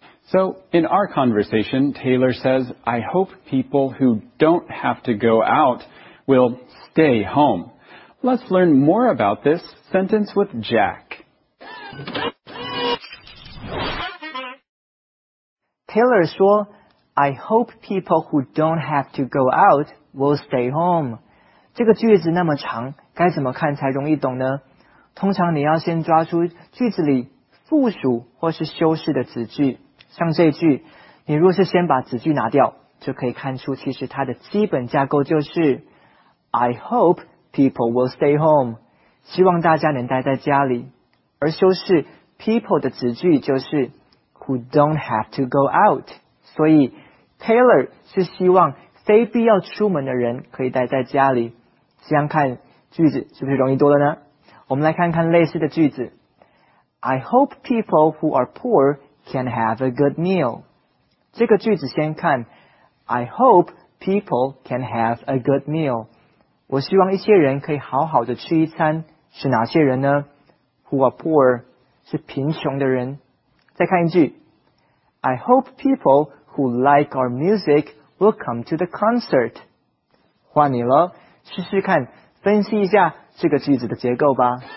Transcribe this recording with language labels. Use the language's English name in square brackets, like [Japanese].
[English] So in our conversation, Taylor says, I hope people who don't have to go out will stay home. Let's learn more about this sentence with Jack. Taylor [Chinese] 说, [English] I hope people who don't have to go out will stay home. [Chinese] 这个句子那么长，该怎么看才容易懂呢？通常你要先抓出句子里附属或是修饰的子句，像这句，你若是先把子句拿掉，就可以看出其实它的基本架构就是 [English] I hope people will stay home， [Chinese] 希望大家能待在家里。而修饰 people 的子句就是 [English] who don't have to go out， [Chinese] 所以 Taylor 是希望非必要出门的人可以待在家里。这样看句子是不是容易多了呢？我们来看看类似的句子。 [English] I hope people who are poor can have a good meal。 [Chinese] 这个句子先看 [English] I hope people can have a good meal， [Chinese] 我希望一些人可以好好的吃一餐。是哪些人呢？ [English] Who are poor [Chinese] 是贫穷的人。再看一句， [English] I hope people who like our music will come to the concert。 [Chinese] 换你了，试试看分析一下这个句子的结构吧。